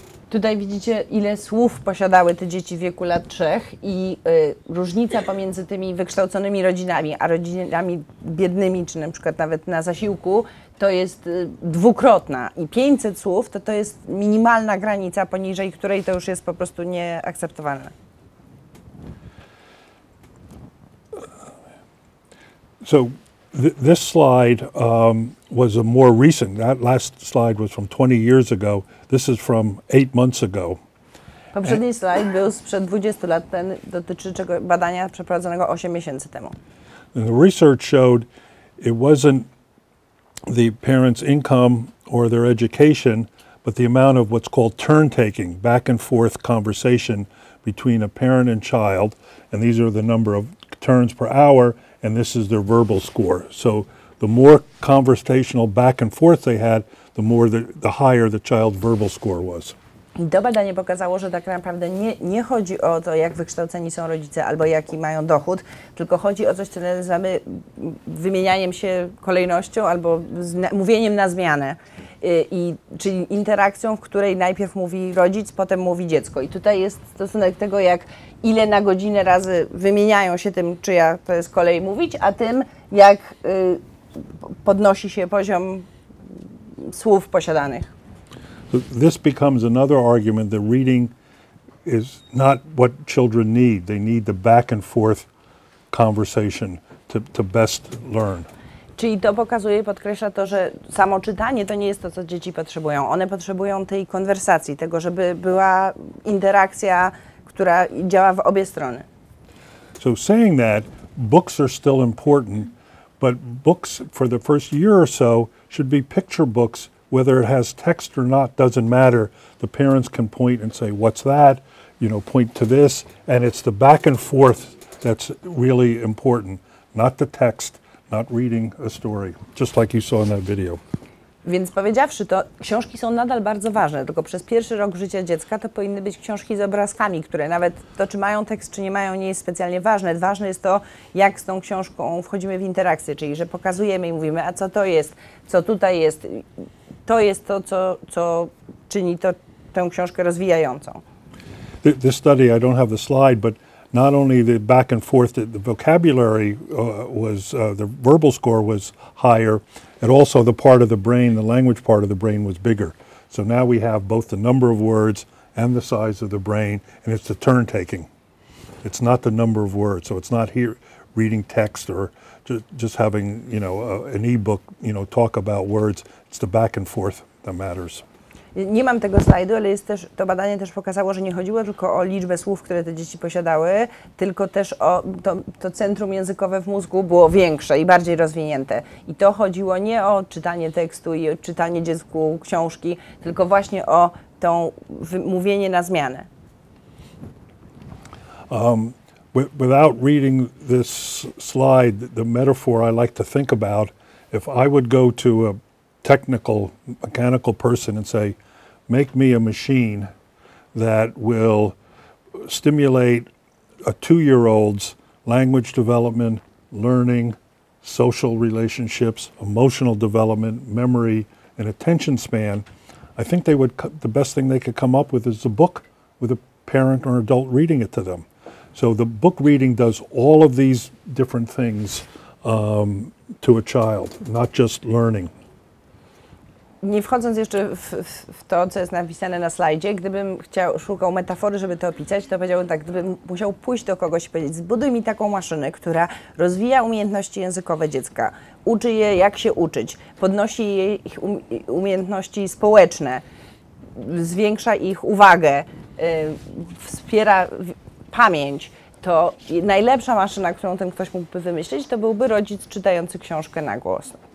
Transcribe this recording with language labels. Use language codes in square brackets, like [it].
[pl] Tutaj widzicie, ile słów posiadały te dzieci w wieku lat 3 i różnica pomiędzy tymi wykształconymi rodzinami, a rodzinami biednymi, czy na przykład nawet na zasiłku, to jest dwukrotna. I 500 słów to jest minimalna granica, poniżej której to już jest po prostu nieakceptowalne. [en] So this slide was a more recent, that last slide was from 20 years ago. This is from 8 months ago. [pl] Poprzedni slajd był sprzed 20 lat, ten dotyczy czego badania przeprowadzonego 8 miesięcy temu. [en] And the research showed it wasn't the parents' income or their education, but the amount of what's called turn-taking, back and forth conversation between a parent and child, and these are the number of turns per hour, and this is their verbal score. So the more conversational back and forth they had, the more the higher the child's verbal score was. [pl] I to badanie pokazało, że tak naprawdę nie chodzi o to, jak wykształceni są rodzice albo jaki mają dochód, tylko chodzi o coś, co nazywamy wymienianiem się kolejnością albo mówieniem na zmianę, czyli interakcją, w której najpierw mówi rodzic, potem mówi dziecko. I tutaj jest stosunek tego, jak ile na godzinę razy wymieniają się tym, czyja to jest kolej mówić, a tym, jak podnosi się poziom słów posiadanych. [en] So this becomes another argument that reading is not what children need. They need the back and forth conversation to best learn. [pl] Czyli to pokazuje, podkreśla to, że samo czytanie to nie jest to, co dzieci potrzebują. One potrzebują tej konwersacji, tego, żeby była interakcja, która działa w obie strony. [en] So saying that, books are still important, but books for the first year or so should be picture books. Whether it has text or not doesn't matter. The parents can point and say, what's that? You know, point to this. And it's the back and forth that's really important. Not the text, not reading a story. Just like you saw in that video. [pl] Więc powiedziawszy to, książki są nadal bardzo ważne. Tylko przez pierwszy rok życia dziecka to powinny być książki z obrazkami, które nawet to, czy mają tekst, czy nie mają, nie jest specjalnie ważne. Ważne jest to, jak z tą książką wchodzimy w interakcję. Czyli, że pokazujemy i mówimy, a co to jest? Co tutaj jest? To jest to, co czyni tę książkę rozwijającą. [en] This study, I don't have the slide, but not only the back and forth, the vocabulary the verbal score was higher, and also the part of the brain, the language part of the brain was bigger. So now we have both the number of words and the size of the brain, and it's the turn taking. It's not the number of words, so it's not here reading text or just having, you know, an e-book, you know, talk about words. It's the back and forth that matters. [pl] Nie mam tego slajdu, ale jest też, to badanie też pokazało, że nie chodziło tylko o liczbę słów, które te dzieci posiadały, tylko też o to centrum językowe w mózgu było większe i bardziej rozwinięte. I to chodziło nie o czytanie tekstu i o czytanie dziecku książki, tylko właśnie o tą mówienie na zmianę. [en] Without reading this slide, the metaphor I like to think about, if I would go to a technical, mechanical person and say, make me a machine that will stimulate a two-year-old's language development, learning, social relationships, emotional development, memory, and attention span, I think they would the best thing they could come up with is a book with a parent or adult reading it to them. So the book reading does all of these different things to a child, not just learning. [pl] Nie wchodząc jeszcze w to, co jest napisane na slajdzie, gdybym szukał metafory, żeby to opisać, to powiedziałbym tak, gdybym musiał pójść do kogoś i powiedzieć, zbuduj mi taką maszynę, która rozwija umiejętności językowe dziecka, uczy je, jak się uczyć, podnosi jej umiejętności społeczne, zwiększa ich uwagę, wspiera pamięć, to najlepsza maszyna, którą ten ktoś mógłby wymyślić, to byłby rodzic czytający książkę na głos.